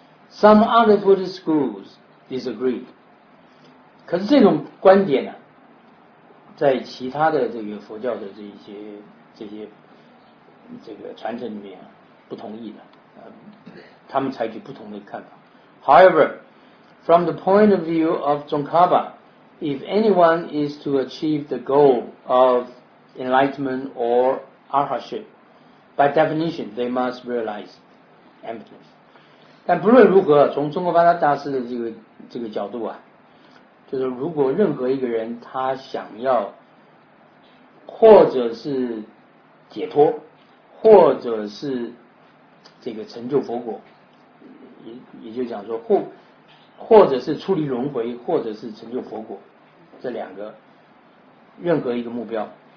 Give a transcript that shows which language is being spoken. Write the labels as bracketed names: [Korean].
[English] Some other Buddhist schools disagree。 [Chinese] 可是这种观点呢、啊，在其他的这个佛教的这些这个传承里面、啊、不同意的、他们采取不同的看法。 [English] However, from the point of view of Tsongkhapa, if anyone is to achieve the goal of enlightenment or arhatship, by definition, they must realize emptiness. [Chinese] 但不论如何，从中国发达大师的这个角度啊，就是如果任何一个人他想要，或者是解脱，或者是这个成就佛果，也就讲说或者是出离轮回，或者是成就佛果，这两个任何一个目标。